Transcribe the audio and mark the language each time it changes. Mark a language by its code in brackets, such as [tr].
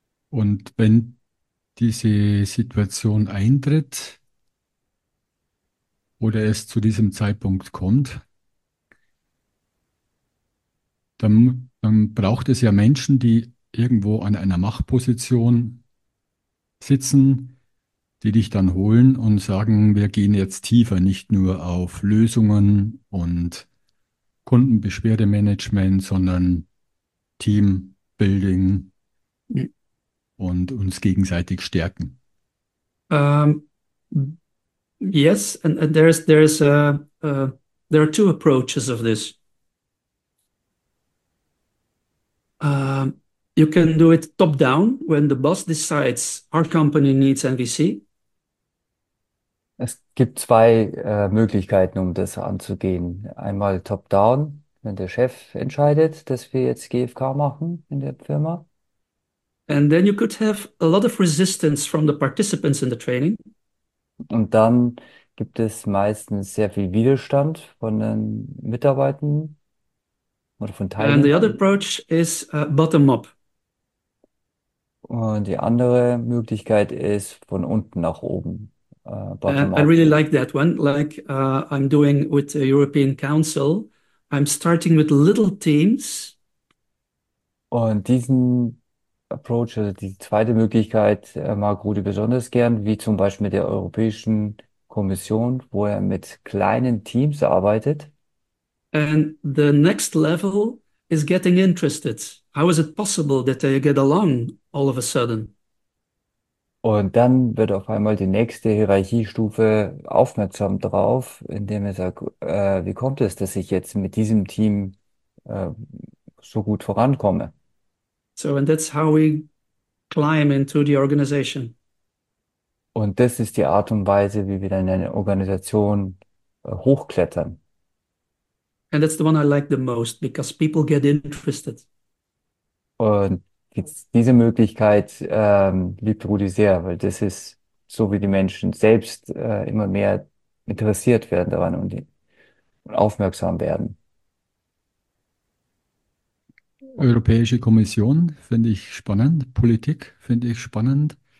[de] Und wenn diese Situation eintritt oder es zu diesem Zeitpunkt kommt, dann braucht es ja Menschen, die irgendwo an einer Machtposition sitzen, die dich dann holen und sagen, wir gehen jetzt tiefer, nicht nur auf Lösungen und Kundenbeschwerdemanagement, sondern Teambuilding. Und uns gegenseitig stärken. [en] Yes, and there are two approaches of this. You can do it top down when the boss decides our company needs MVC. [de] Es gibt zwei Möglichkeiten, um das anzugehen. Einmal top-down, wenn der Chef entscheidet, dass wir jetzt GFK machen in der Firma. [en] And then you could have a lot of resistance from the participants in the training. [de] Und dann gibt es meistens sehr viel Widerstand von den Mitarbeitern oder von [en] And the other approach is bottom up. [de] Und die andere Möglichkeit ist von unten nach oben, [en] And bottom I really like that one. Like I'm doing with the European Council, I'm starting with little teams. [de] Und diesen Approach, also die zweite Möglichkeit, mag Rudi besonders gern, wie zum Beispiel mit der Europäischen Kommission, wo er mit kleinen Teams arbeitet. [en] And the next level is getting interested. How is it possible that they get along all of a sudden? [de] Und dann wird auf einmal die nächste Hierarchiestufe aufmerksam drauf, indem er sagt, wie kommt es, dass ich jetzt mit diesem Team, so gut vorankomme? [en] So, and that's how we climb into the organization. [de] Und das ist die Art und Weise, wie wir dann eine Organisation hochklettern. [en] And that's the one I like the most because people get interested. [de] Und diese Möglichkeit liebt Rudi sehr, weil das ist so, wie die Menschen selbst immer mehr interessiert werden daran und aufmerksam werden. Europäische Kommission finde ich spannend, Politik finde ich spannend.